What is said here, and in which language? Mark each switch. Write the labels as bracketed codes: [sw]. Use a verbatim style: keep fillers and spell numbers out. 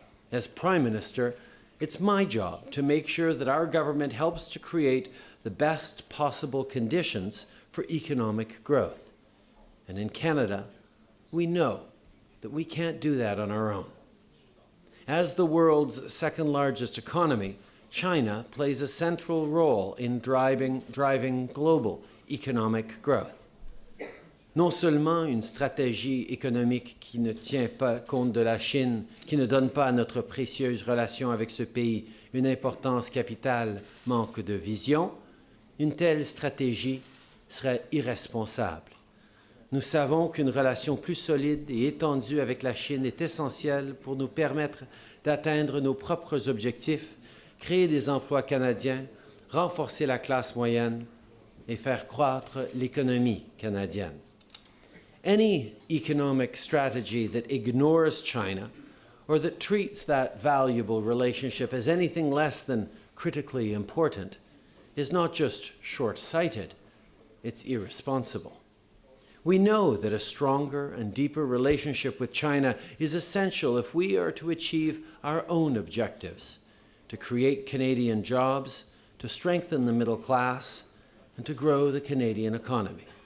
[en] As Prime Minister, it's my job to make sure that our government helps to create the best possible conditions for economic growth. And in Canada, we know that we can't do that on our own. As the world's second largest economy, China plays a central role in driving, driving global economic growth. [fr] Non seulement une stratégie économique qui ne tient pas compte de la Chine, qui ne donne pas à notre précieuse relation avec ce pays une importance capitale, manque de vision, une telle stratégie serait irresponsable. Nous savons qu'une relation plus solide et étendue avec la Chine est essentielle pour nous permettre d'atteindre nos propres objectifs, créer des emplois canadiens, renforcer la classe moyenne et faire croître l'économie canadienne. [en] Any economic strategy that ignores China or that treats that valuable relationship as anything less than critically important is not just short-sighted, it's irresponsible. We know that a stronger and deeper relationship with China is essential if we are to achieve our own objectives, to create Canadian jobs, to strengthen the middle class, and to grow the Canadian economy.